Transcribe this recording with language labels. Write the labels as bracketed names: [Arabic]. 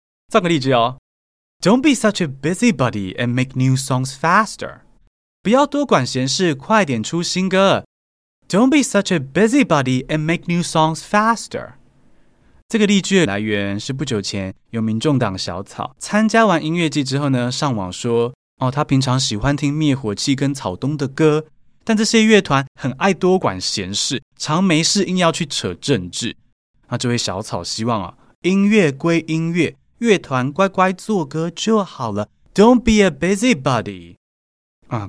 [Chinese] 造个例子哦， [English] Don't be such a busybody and make new songs faster. [Chinese] 不要多管闲事快点出新歌。 [English] Don't be such a busybody and make new songs faster. [Chinese] 这个例句的来源是不久前有民众党小草参加完音乐季之后呢，上网说哦，他平常喜欢听灭火器跟草东的歌，但这些乐团很爱多管闲事，常没事硬要去扯政治。那这位小草希望啊，音乐归音乐，乐团乖乖做歌就好了， [English] Don't be a busybody [Chinese] 啊。